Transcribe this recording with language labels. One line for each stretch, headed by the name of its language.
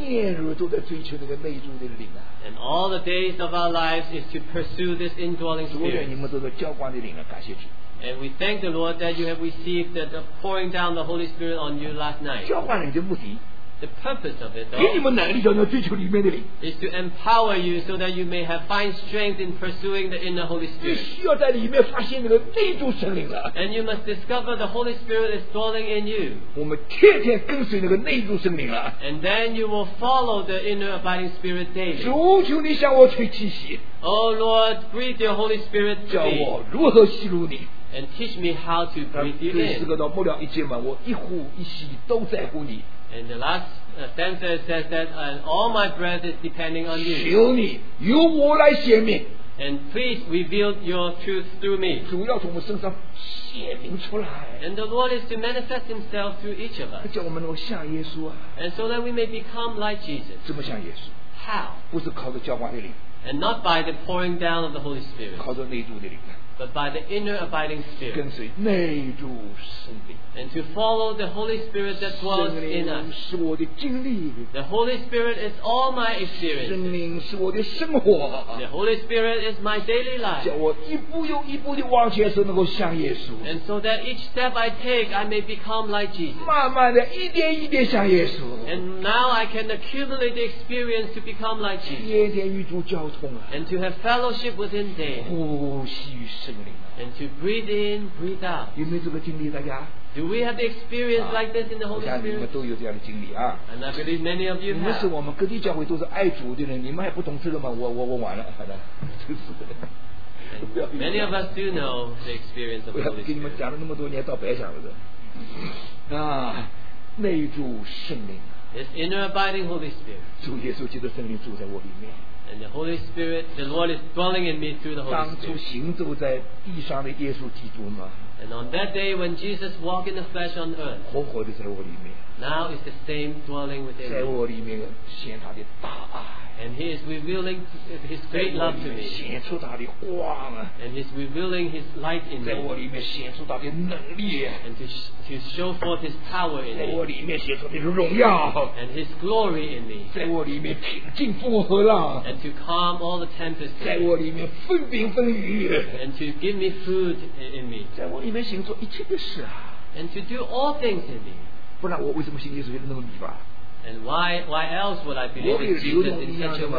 English: And all the days of our lives is to pursue this indwelling Spirit. And we thank the Lord that you have received the pouring down the Holy Spirit on you last night.
Chinese: 浇灌你的目的,
English: the purpose of it though, is to empower you so that you may have find strength in pursuing the inner Holy Spirit.
Chinese: 你需要在里面发现那个内住圣灵了。
English: And you must discover the Holy Spirit is dwelling in you.
Chinese: 我们天天跟随那个内住圣灵了。
English: And then you will follow the inner abiding Spirit daily.
Chinese: 主求你向我吹气息。
English: Oh Lord, breathe your Holy Spirit to me.
Chinese: 叫我如何吸入你。
English: And teach me how to breathe you in.
Chinese: 诗歌到末了一节嘛，我一呼一吸都在乎你。
English: And the last stanza says that all my breath is depending on you.
Chinese: 求你由我来显明。
English: And please reveal your truth through me.
Chinese: 主要从我身上显明出来。
English: And the Lord is to manifest Himself through each of us.
Chinese: 叫我们能够像耶稣啊。
English: And so that we may become like Jesus.
Chinese: 怎么像耶稣
English: ？How？
Chinese: 不是靠着浇灌的灵。
English: And not by the pouring down of the Holy Spirit.
Chinese: 靠着内住的灵。
English: But by the inner abiding spirit.
Chinese: 跟随内住圣灵。
English: And to follow the Holy Spirit that dwells in us.
Chinese: 圣灵是我的经历。
English: The Holy Spirit is all my experience.
Chinese: 圣灵是我的生活。
English: The Holy Spirit is my daily life.
Chinese: 叫我一步又一步地往前走，能够像耶稣。
English: And so that each step I take, I may become like Jesus.
Chinese: 慢慢的，一点一点像耶稣。
English: And now I can accumulate the experience to become like Jesus.
Chinese: 天天与主交通啊。
English: And to have fellowship with Him daily.
Chinese: 呼吸与圣。
English: And to breathe in, breathe out.
Chinese: 有没有这个经历大家？
English: Do we have the experience like this in the Holy Spirit?
Chinese: 我想你们都有这样的经历啊。
English: And I believe many of you have.
Chinese: 你们是我们各地教会都是爱主的人，你们还不懂这个吗？我问完了，好的，就是的。
English: Many of us do know the experience of the Holy Spirit.
Chinese: 我给你们讲了那么多年，到白讲了的。啊，内住圣灵。
English: This inner abiding Holy Spirit.
Chinese: 主耶稣基督圣灵住在我里面。
English: And the Holy Spirit, the Lord is dwelling in me through the Holy Spirit.
Chinese: 当初行走在地上的耶稣基督吗？
English: And on that day when Jesus walked in the flesh on earth,
Chinese: 活活地在我里面。
English: Now is the same dwelling within me.
Chinese: 在我里面显他的大爱。
English: And He is revealing His great love to me.
Chinese: 显出他的光啊。
English: And He is revealing His light in me.
Chinese: 在我里面显出他的能力。
English: And to show forth His power in me.
Chinese: 在我里面显出他的荣耀。
English: And His glory in me.
Chinese: 在我里面平静风和浪。
English: And to calm all the tempests.
Chinese: 在我里面分兵分雨。
English: And to give me food in me.
Chinese: 在我里面行做一切的事啊。
English: And to do all things in me.
Chinese: 不然我为什么信耶稣信得那么迷茫？
English: And why else would I believe in Jesus in such a way?